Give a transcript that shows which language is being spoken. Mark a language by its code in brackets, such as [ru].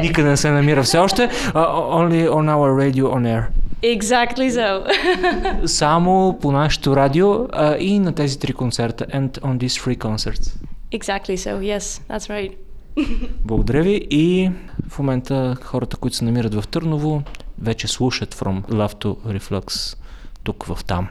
[bg] Никъде не се намира все още. [en] Only on our radio on air. Exactly so. [bg] Само по нашето радио и на тези три концерта. [en] And on these three concerts. Exactly so, yes, that's right. [bg] Благодаря ви и в момента хората, които се намират в Търново, вече слушат From Love to Reflux тук в там.